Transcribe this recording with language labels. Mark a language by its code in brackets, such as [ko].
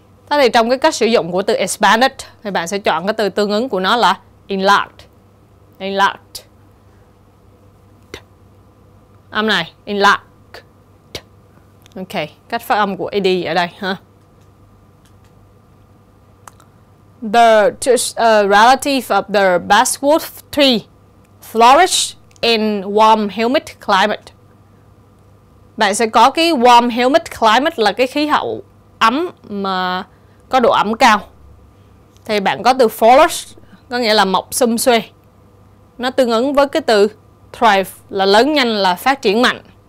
[vi] Thế thì trong cái cách sử dụng của từ expanded thì bạn sẽ chọn cái từ tương ứng của nó là enlarged. Enlarged. Âm này, enlarged. Ok, cách phát âm của AD ở đây ha. [en] The relative of the basswood tree flourish in warm humid climate. [vi] Bạn sẽ có cái [en] warm humid climate [vi] là cái khí hậu ấm mà có độ ẩm cao. Thì bạn có từ flourish có nghĩa là mọc xum xuê. Nó tương ứng với cái từ thrive là lớn nhanh, là phát triển mạnh.